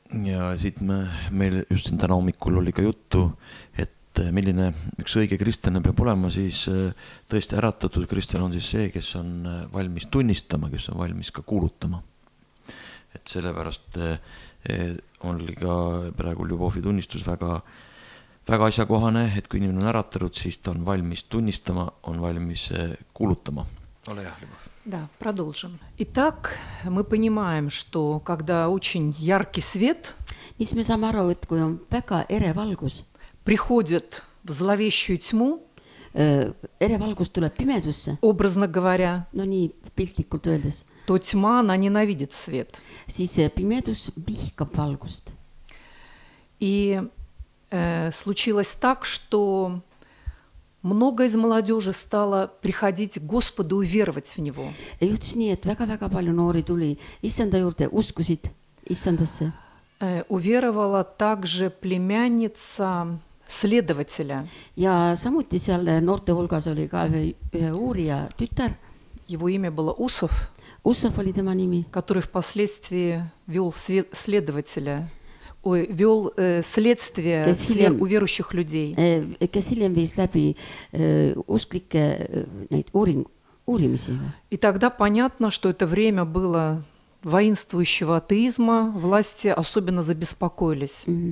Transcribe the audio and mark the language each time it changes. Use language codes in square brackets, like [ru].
[et] Ja siit meil just siin täna hommikul oli ka juttu, et milline üks õige kristlane peab olema, siis tõesti äratatud kristlane on siis see, kes on valmis tunnistama, kes on valmis ka kuulutama. Et sellepärast on ka praegu Ljubovi tunnistus väga, väga asjakohane, et kui inimene on äratatud, siis ta on valmis tunnistama, on valmis kuulutama. Ole hea, Ljubov. [ru] Да, продолжим. Итак, мы понимаем, что когда очень яркий свет, [et] siis me saame aru, et kui on väga ere valgus, [ru] приходит в зловещую тьму, [et] эревалгус tuleb pimedusse, [ru] образно говоря, [et] no nii, piltlikult öeldes, [ru] то тьма, она ненавидит свет. [et] Siis pimedus vihkab valgust. [ru] И случилось так, что много из молодежи стало приходить к Господу и веровать в Него. [et] Juhtus nii, et väga-väga palju noori tuli Issanda juurde, uskusid Issandasse. [ru] Уверовала также племянница следователя. [et] Ja samuti seal noorte hulgas oli ka ühe uurija tütar. [ru] Его имя было Усов. [et] Усов oli tema nimi. [ru] Который впоследствии вел следователя. вел следствие для уверующих людей. [et] Käsilem viis läbi usklike neid uurimisi. [ru] И тогда понятно, что это время было воинствующего атеизма, власти особенно забеспокоились.